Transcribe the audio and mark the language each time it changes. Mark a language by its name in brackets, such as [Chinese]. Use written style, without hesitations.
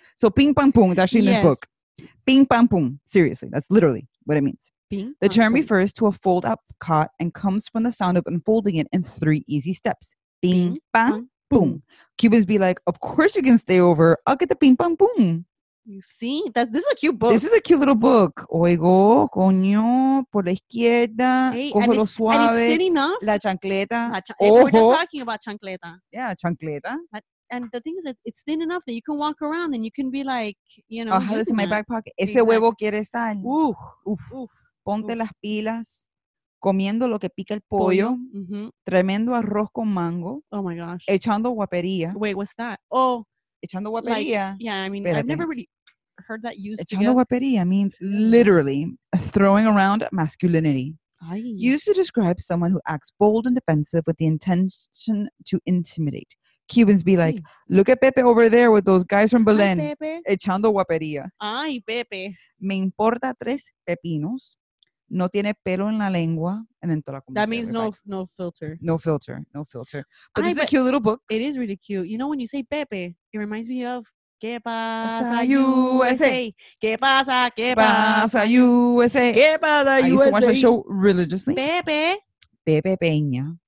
[English] So ping pong pong is actually in this book. Ping pong pong. Seriously, that's literally what it means. The term refers to a fold up cot and comes from the sound of unfolding it in three easy steps. Ping pong pong. Cubans be like, of course you can stay over. I'll get the ping pong pong. You see? This is a cute book. This is a cute little book. [Spanish] Oigo, coño, por la izquierda, hey, cojo lo suave. [English] And it's enough. [Spanish] La chancleta. [English] We're just talking about chancleta. Yeah, chancleta. And the thing is that it's thin enough that you can walk around and you can be like, you know. I'll have this in my back pocket. [Spanish] Ese [English] exactly. [Spanish] Huevo quiere sal. Uf. Ponte las pilas. Comiendo lo que pica el pollo. Mm-hmm. Tremendo arroz con mango. [English] Oh, my gosh. [Spanish] Echando guapería. [English] Wait, what's that? Oh. [Spanish] Echando guapería. [English] Like, yeah, I mean, [Spanish] espérate. [English] I've never really heard that used. [Spanish] Echando guapería [English] means literally throwing around masculinity. Ay. Used to describe someone who acts bold and defensive with the intention to intimidate. Cubans be like, look at Pepe over there with those guys from Belen. Ay, Pepe. [Spanish] Echando guapería. Ay, Pepe. Me importa tres pepinos. No tiene pelo en la lengua. [English] And then [Spanish] toda la [English] comida. That means no filter. No filter. No filter. But this is a cute little book. It is really cute. You know, when you say Pepe, it reminds me of [Spanish] ¿Qué pasa, [English] USA? [Spanish] ¿Qué pasa? ¿Qué pasa, [English] USA? [Spanish] ¿Qué pasa, USA? [English] I used to watch that show religiously. Pepe. Pepe Peña.